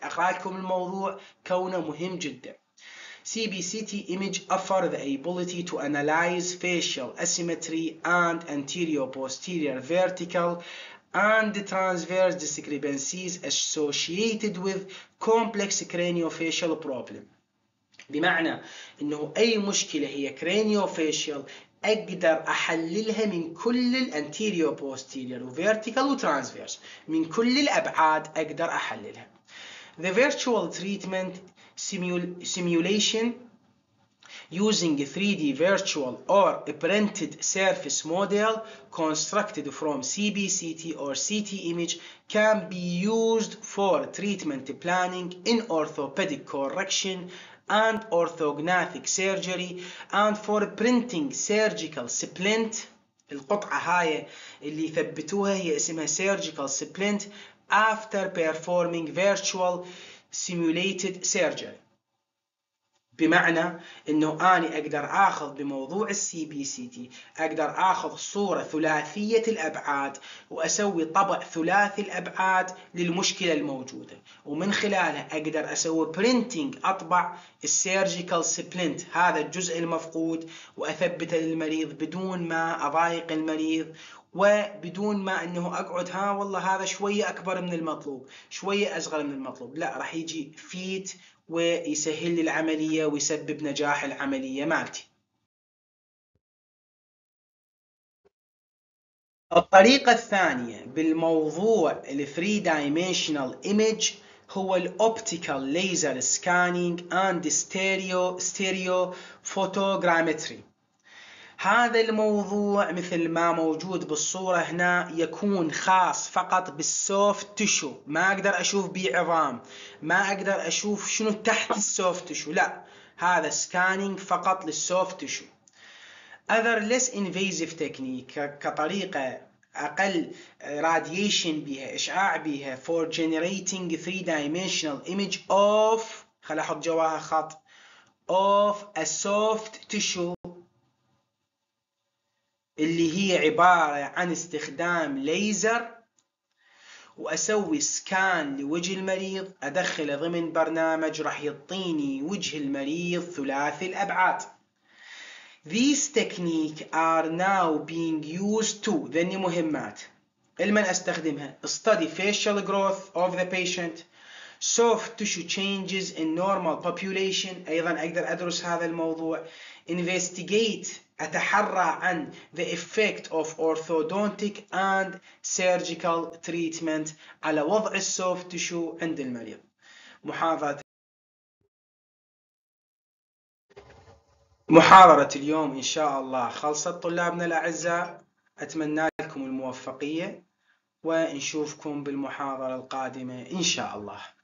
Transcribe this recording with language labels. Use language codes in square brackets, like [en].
[ar] اقرا لكم الموضوع كونه مهم جدا. [en] C B C T image offers the ability to analyse facial asymmetry and anterior posterior vertical and the transverse discrepancies associated with complex craniofacial problem. [ar] بمعنى انه اي مشكلة هي craniofacial اقدر احللها من كل ال anterior posterior و vertical و transverse، من كل الابعاد اقدر احللها. [en] The virtual treatment simulation using a 3D virtual or a printed surface model constructed from CBCT or CT image can be used for treatment planning in orthopedic correction and orthognathic surgery and for printing surgical splint. [ar] القطعة هاي اللي ثبتوها هي اسمها [en] surgical splint after performing virtual simulated surgery. [ar] بمعنى انه اني اقدر اخذ بموضوع السي بي سي تي اقدر اخذ صورة ثلاثية الابعاد واسوي طبع ثلاثي الابعاد للمشكلة الموجودة، ومن خلالها اقدر اسوي برينتينج اطبع السيرجيكال سبلنت هذا الجزء المفقود واثبته للمريض بدون ما اضايق المريض وبدون ما انه اقعد ها والله هذا شوية اكبر من المطلوب شوية اصغر من المطلوب، لا راح يجي فيت ويسهل لي العملية ويسبب نجاح العملية مالتي. الطريقة الثانية بالموضوع الـ [en] 3 dimensional image [ar] هو الـ [en] optical laser scanning and stereo photogrammetry. [ar] هذا الموضوع مثل ما موجود بالصورة هنا يكون خاص فقط بالسوفت تشو، ما أقدر أشوف بيه عظام، ما أقدر أشوف شنو تحت السوفت تشو، لا هذا سكانينج فقط للسوفت تشو. [en] Other less invasive technique [ar] كطريقة أقل radiation بها إشعاع بها [en] for generating 3 dimensional image of [ar] خل أحط جواها خط [en] of a soft tissue [ar] اللي هي عبارة عن استخدام ليزر وأسوي سكان لوجه المريض أدخله ضمن برنامج راح يعطيني وجه المريض ثلاثي الأبعاد. [en] These techniques are now being used to [ar] ذني مهمات لمن أستخدمها [en] study facial growth of the patient soft tissue changes in normal population [ar] أيضا أقدر أدرس هذا الموضوع [en] investigate [ar] أتحرى عن [en] the effect of orthodontic and surgical treatment [ar] على وضع [en] soft tissue [ar] عند المريض. محاضرة محاضرة اليوم إن شاء الله خلصت طلابنا الأعزاء، أتمنى لكم الموفقية ونشوفكم بالمحاضرة القادمة إن شاء الله.